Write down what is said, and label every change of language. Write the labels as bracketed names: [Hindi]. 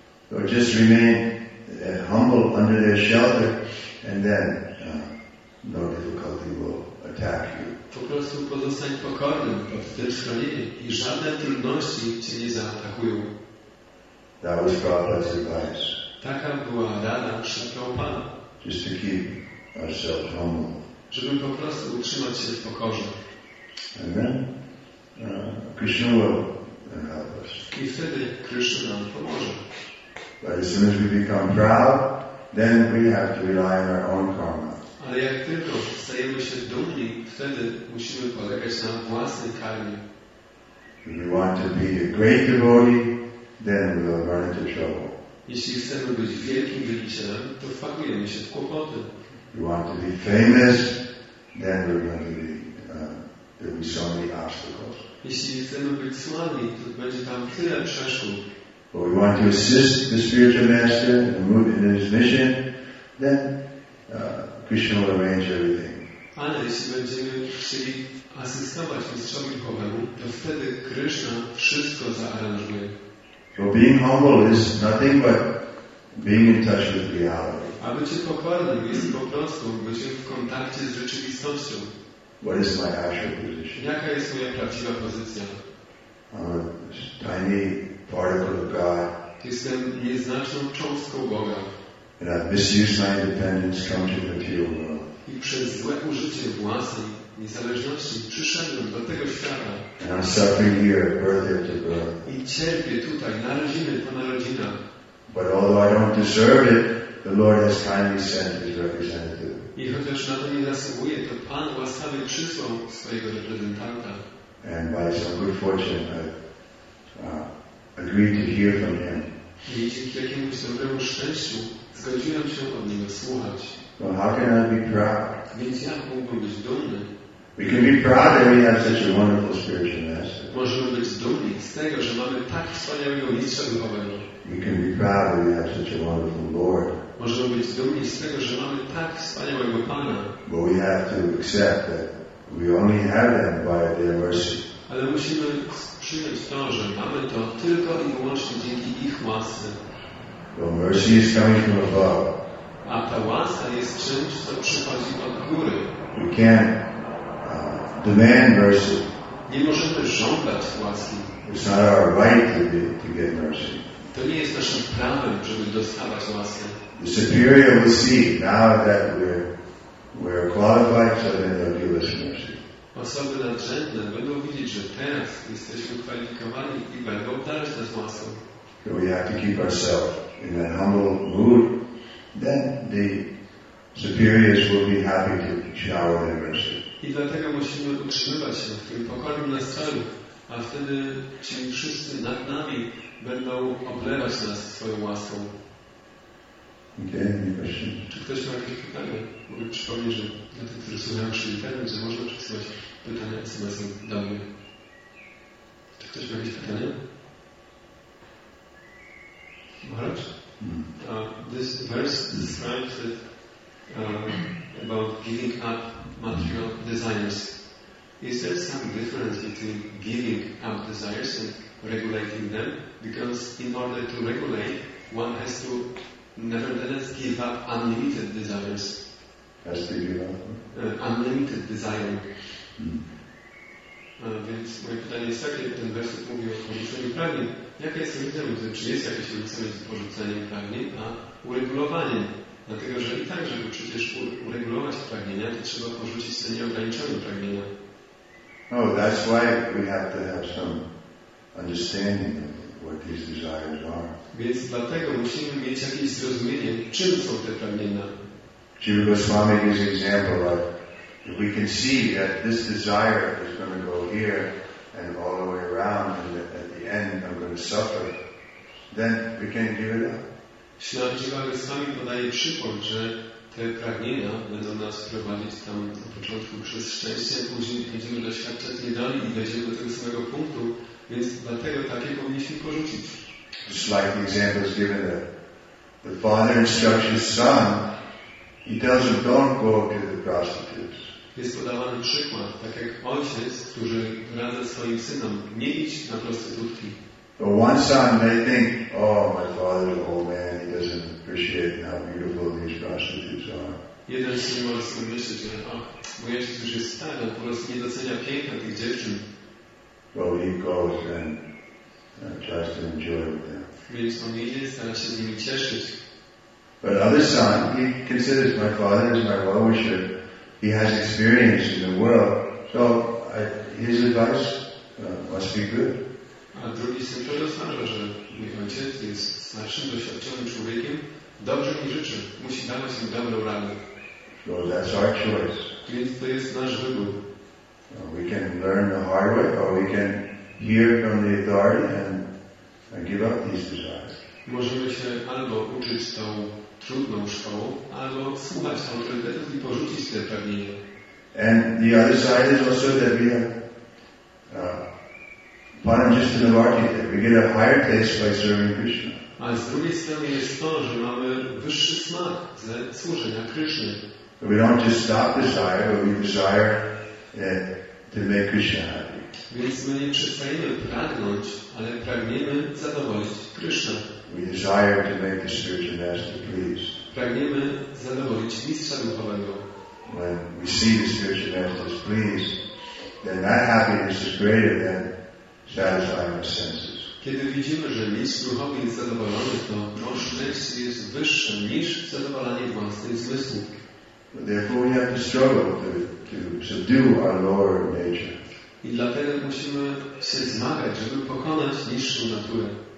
[English] So just remain humble under their shelter and then no difficulty will attack you. [Polish] Po prostu pozostań pokornym pod tym schronieniem i żadne trudności cię nie zaatakują. [English] That was Prabhupada's advice. [Polish] Taka była rada Śrīla Prabhupāda. [English] Just to keep ourselves humble. [Polish] Żeby po prostu utrzymać się w pokorze. [English] Amen. Krishna will help us. [Polish] I wtedy Krishna nam pomoże. [English] But as soon as we become proud, then we have to rely on our own karma. [Polish] Ale jak tylko stajemy się dumni, wtedy musimy polegać na własnej karmie. [English] If we want to be a great devotee, then we will run into trouble. [Polish] Jeśli chcemy być wielkim wielbicielem, to wpakujemy się w kłopoty. [English] If we want to be famous, then we're going to be there will be so many obstacles. [Polish] Jeśli chcemy być sławni, to będzie tam tyle przeszkód. [English] But we want to assist the spiritual master in his mission, then Krishna will arrange everything. [Polish] Ale jeśli będziemy chcieli asystować mistrzowi duchowemu, to wtedy Krishna wszystko zaaranżuje. [English] So being humble is nothing but being in touch with reality. [Polish] A bycie pokornym jest po prostu bycie w kontakcie z rzeczywistością. [English] What is my actual position? [Polish] Jaka jest moja prawdziwa pozycja? [English] I'm a tiny particle of God. [Polish] Jestem nieznaczną cząstką Boga. [English] And I've misused my independence, come to the pure world. [Polish] I przez złe użycie własnej niezależności przyszedłem do tego świata. [English] And I'm suffering here, birth after birth. [Polish] I cierpię tutaj, narodziny po narodzinach. [English] But although I don't deserve it, the Lord has kindly sent His representative. [Polish] I chociaż na to nie zasługuję, to Pan łaskawie przysłał swojego reprezentanta. [English] And by some good fortune, I agreed to hear from him. [Polish] I dzięki jakiemuś dobremu szczęściu zgodziłem się od niego słuchać. [English] Well, how can I be proud? [Polish] Więc jak mógłbym być dumny? [English] We can be proud that we have such a wonderful spiritual master. [Polish] Możemy być dumni z tego, że mamy tak wspaniałego mistrza duchowego. [English] We can be proud that we have such a wonderful Lord. [Polish] Możemy być dumni z tego, że mamy tak wspaniałego Pana. [English] But we have to accept that we only have Him by their mercy. [Polish] Ale musimy przyjąć to, że mamy to tylko i wyłącznie dzięki ich łasce. [English] Well, mercy is coming from above. [Polish] A ta łaska jest czymś, co przychodzi od góry. [English] We can't demand mercy. [Polish] Nie możemy żądać łaski. [English] It's not our right to get mercy. [Polish] To nie jest naszym prawem, żeby dostawać łaskę. [English] The superior will see now that we're qualified, so then they'll give us mercy. [Polish] Osoby nadrzędne będą widzieć, że teraz jesteśmy kwalifikowani i będą obdarzać nas łaską. [English] So we have to keep ourselves in that humble mood. Then the superiors will be happy to shower their mercy. [Polish] I dlatego musimy utrzymywać się w tym pokornym nastroju, a wtedy ci wszyscy nad nami będą oblewać nas swoją łaską. [English] Okay, any questions? [Polish] Czy ktoś ma jakieś pytania? Mogę przypomnieć, że dla tych, którzy słuchają przez internet, że można przesyłać pytania SMS-em do mnie. Czy ktoś ma jakieś pytania? [English] Maharaj? This verse describes it about giving up material desires. Is there some difference between giving up desires and regulating them? Because in order to regulate, one has to nevertheless give up unlimited desires. Has to give up? Unlimited desire. [Polish] Więc moje pytanie jest takie, ten werset mówi o porzuceniu pragnień. Jakie jest różnica między, czy jest jakieś różnica między porzuceniem pragnień, a uregulowaniem? Dlatego, że i tak, żeby przecież uregulować pragnienia, to trzeba porzucić te nieograniczone pragnienia. [English] Oh, that's why we have some understanding of what these desires are. [Polish] Więc dlatego musimy mieć jakieś zrozumienie, czym są te pragnienia. [English] Jiva Goswami gives an example of if we can see that this desire is going to go here and all the way around and at the end I'm going to suffer, then we can't give it up. [Polish] Śla Jiva Goswami podaje przykład, że te pragnienia będą nas prowadzić tam na początku przez szczęście, a później będziemy doświadczać niedoli i dojdziemy do tego samego punktu, więc dlatego takie powinniśmy porzucić. [English] Just like the example is given that the father instructs his son, he tells him, don't go to the prostitutes. [Polish] Jest podawany przykład, tak jak ojciec, który radzi swoim synom, nie idź na prostytutki. [English] But one son may think, oh, my father's an old man, he doesn't appreciate how beautiful these prostitutes are. [Polish] Jeden syn może sobie myśleć, że oh, mój ojciec już jest stary, po prostu nie docenia piękna tych dziewczyn. [English] Well, he goes and tries to enjoy them. [Polish] Więc on idzie, stara się z nimi cieszyć. [English] But other son, he considers my father as my well-wisher. He has experience in the world. So his advice must be good. [Polish] A drugi syn to rozważa, że mój ojciec jest starszym, doświadczonym człowiekiem. Dobrze mi życzy. Musi dawać mi dobrą radę. [English] So that's our choice. [Polish] Więc to jest nasz wybór. [English] We can learn the hard way, or we can hear from the authority and give up these desires. [Polish] Możemy się albo uczyć tą trudną szkołą, albo słuchać autorytetów i porzucić te pragnienia. [English] And the other side is also that we have Panajistinavarti, that we get a higher taste by serving Krishna. [Polish] A z drugiej strony jest to, że mamy wyższy smak ze służenia Krishna. [English] So we don't just stop desire, but we desire to make Krishna happy. [Polish] Więc my nie przestajemy pragnąć, ale pragniemy zadowolić Krishna. [English] We desire to make the spiritual master pleased. [Polish] Pragniemy zadowolić mistrza duchowego. [English] When we see the spiritual master is pleased, then that happiness is greater than satisfying our senses. [Polish] Kiedy widzimy, że list duchowy jest zadowolony, to mąż myśli jest wyższy niż zadowolenie własnych zmysłów. [English] Therefore we have to struggle to subdue our lower nature. [Polish] I dlatego musimy się zmagać, żeby pokonać niższą naturę.